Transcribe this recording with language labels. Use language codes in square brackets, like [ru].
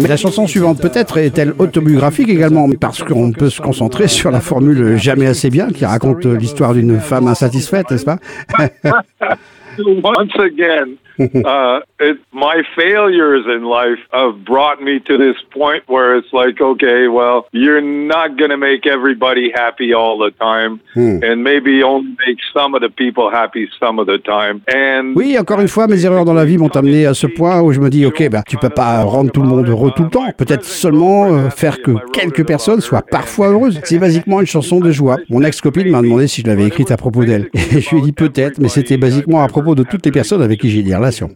[fr] La chanson suivante peut-être est-elle autobiographique également, parce qu'on peut se concentrer sur la formule « Jamais assez bien » qui raconte l'histoire d'une femme insatisfaite, n'est-ce pas? [en] Once again, my failures in life have brought me to this point where it's like, okay, well, you're not going to make everybody happy all the time, and maybe only make some of the people happy some of the time. And [fr] oui, encore une fois, mes erreurs dans la vie m'ont amené à ce point où je me dis, okay, bah, tu peux pas rendre tout le monde heureux tout le temps. Peut-être seulement faire que quelques personnes soient parfois heureuses. C'est basiquement une chanson de joie. Mon ex-copine m'a demandé si je l'avais écrite à propos d'elle. Et je lui ai dit peut-être, mais c'était basiquement à propos de toutes les personnes avec qui j'ai des relations.